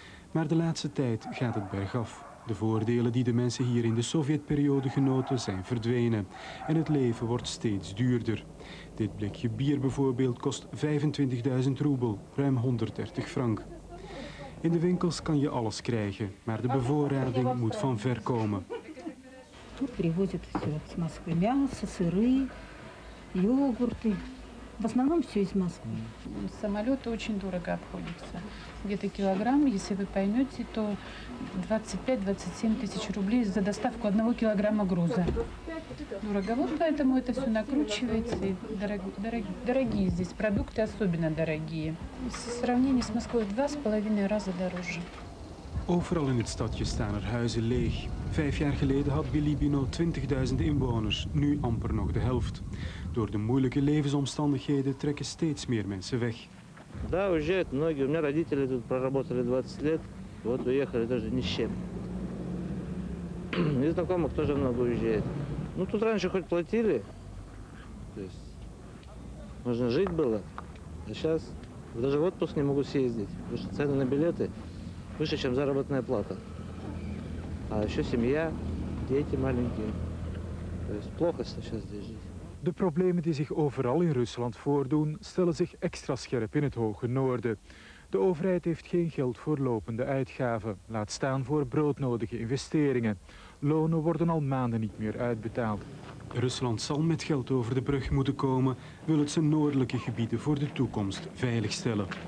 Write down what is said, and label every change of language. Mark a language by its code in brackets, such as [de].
[nl] Maar de laatste tijd gaat het bergaf. De voordelen die de mensen hier in de Sovjetperiode genoten zijn verdwenen. En het leven wordt steeds duurder. Dit blikje bier bijvoorbeeld kost 25.000 roebel, ruim 130 frank. In de winkels kan je alles krijgen, maar de bevoorrading moet van ver komen. [ru] Тут привозят все из Москвы. Мясо, сыры, йогурты. В основном все из Москвы. Самолеты очень дорого обходятся. Где-то килограмм, если вы поймете, то 25-27 тысяч рублей за доставку 1 килограмма груза. Дорого. Вот поэтому это все накручивается. Дорогие здесь продукты, особенно дорогие. В сравнении с Москвой 2,5 раза дороже. [nl] Overal in het stadje staan er huizen leeg. 5 jaar geleden had Bilibino 20.000 inwoners, nu amper nog de helft. Door de moeilijke levensomstandigheden trekken steeds meer mensen weg. [ru] Да, уезжают многие. У меня родители тут проработали 20 лет. Вот уехали даже ни с чем. И знакомых тоже много уезжает. Ну тут раньше хоть платили. То есть можно жить было. А сейчас даже в отпуск не могу съездить, потому что цены на билеты выше, чем заработная плата. А еще семья, дети маленькие. То есть плохо сейчас здесь жить. [nl] De problemen die zich overal in Rusland voordoen, stellen zich extra scherp in het hoge noorden. De overheid heeft geen geld voor lopende uitgaven, laat staan voor broodnodige investeringen. Lonen worden al maanden niet meer uitbetaald. Rusland zal met geld over de brug moeten komen, wil het zijn noordelijke gebieden voor de toekomst veiligstellen.